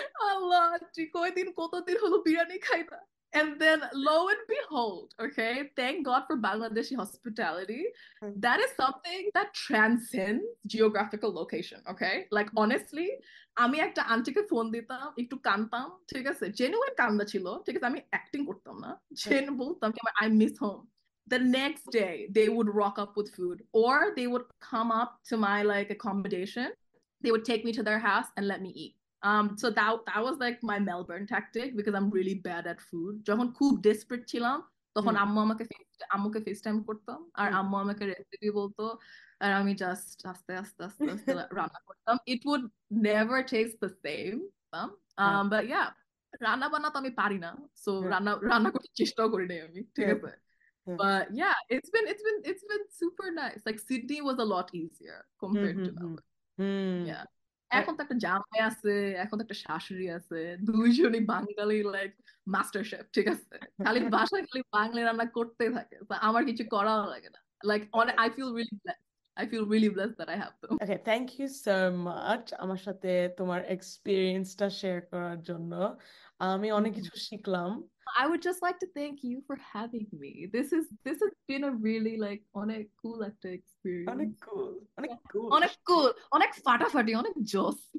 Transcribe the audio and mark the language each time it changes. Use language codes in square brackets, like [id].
[bn] allah ji koi din koto din holo biryani khaiba, [en] and then lo and behold, okay, thank god for Bangladeshi hospitality, that is something that transcends geographical location, okay, like honestly [bn] ami ekta aunty ke phone ditam ektu kantam, [en] thik ache, genuine kanda chilo, thik ache, [bn] ami acting kortam na, [en] genuine boltam ki I miss home, the next day they would rock up with food or they would come up to my like accommodation, they would take me to their house and let me eat. So that was like my Melbourne tactic because I'm really bad at food. [bn] Jokhon khub desperate chilam, তখন আম্মু আমাকে আম্মুকে FaceTime করতাম, আর আম্মু আমাকে recipe বলতো, আর আমি just আস্তে আস্তে আস্তে আস্তে রান্না করতাম। [en] it would never taste the same, but yeah, [bn] রান্না বান্না তো আমি পারি না, সো রান্না রান্না করতে চেষ্টাও করিনি আমি, ঠিক আছে। [en] But yeah, it's been super nice. Like Sydney was a lot easier compared to Melbourne. Yeah. [bn] এখন তো একটা জামাই আছে, এখন তো একটা শাশুড়ি আছে, দুইজনই বাঙালি, লাইক মাস্টার শেফ, ঠিক আছে, খালি বাসায় খালি বাঙালি রান্না করতে থাকে, আমার কিছু করাও লাগে না। [en] Like I feel really blessed, I feel really blessed that I have them. Okay, thank you so much [bn] আমার সাথে তোমার এক্সপিরিয়েন্সটা শেয়ার করার জন্য। আমি অনেক কিছু শিখলাম। [en] I would just like to thank you for having me. This has been a really like [bn] অনেক cool একটা অনেক [en] experience. [bn] কুল, অনেক কুল। অনেক cool, অনেক ফাটাফাটি, অনেক জোস।